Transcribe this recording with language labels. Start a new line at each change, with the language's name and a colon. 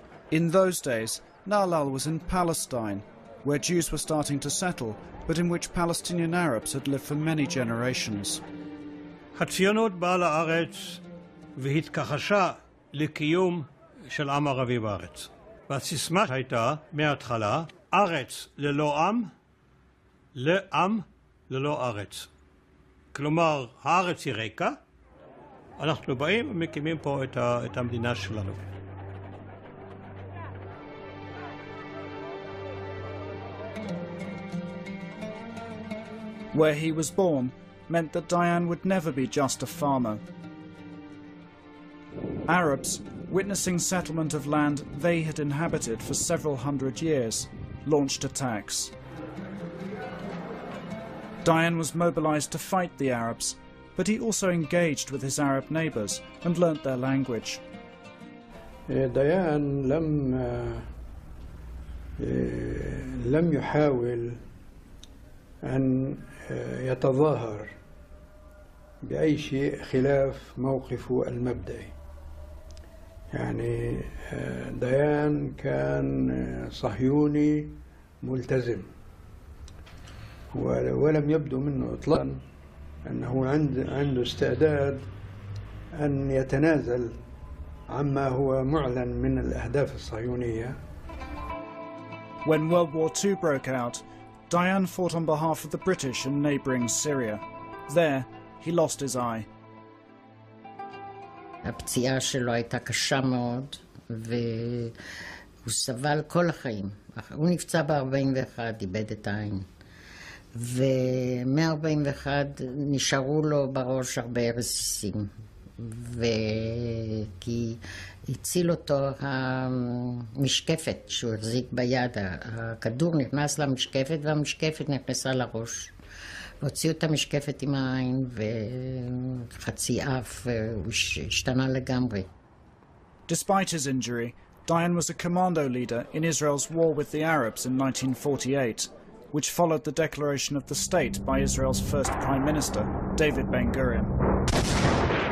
English: In those days, Nahalal was in Palestine, where Jews were starting to settle, but in which Palestinian Arabs had lived for many generations.
Hebrew: הציונות באה לארץ והתכחשה לקיום של עם ערבי בארץ. והסיסמה הייתה מההתחלה, ארץ ללא עם, לעם ללא ארץ. כלומר, הארץ היא ריקה, אנחנו באים ומקימים פה את המדינה שלנו.
English: Where he was born meant that Dayan would never be just a farmer. Arabs, witnessing settlement of land they had inhabited for several hundred years, launched attacks. Dayan was mobilized to fight the Arabs, but he also engaged with his Arab neighbors and learnt their language.
Arabic: Dayan لم يحاول أن يتظاهر بأي شيء خلاف موقفه المبدئي. يعني ديان كان صهيوني ملتزم ولم يبدو منه إطلاقا أنه عنده استعداد أن يتنازل عما هو معلن من الأهداف الصهيونية.
English: When World War II broke out, Dayan fought on behalf of the British in neighboring Syria. There, he lost his eye.
Hebrew: הפציעה שלו הייתה קשה מאוד, והוא סבל כל החיים. הוא נפצע ב-41, איבד את העין. ומ-41 נשארו לו בראש הרבה רסיסים. וכי הציל אותו המשקפת שהוא החזיק ביד. הכדור נכנס למשקפת והמשקפת נכנסה לראש. והוציאו את המשקפת עם העין וחצי אף, השתנה לגמרי.
English: Despite his injury, Dayan was a commando leader in Israel's war with the Arabs in 1948, which followed the declaration of the state by Israel's first prime minister, David Ben-Gurion.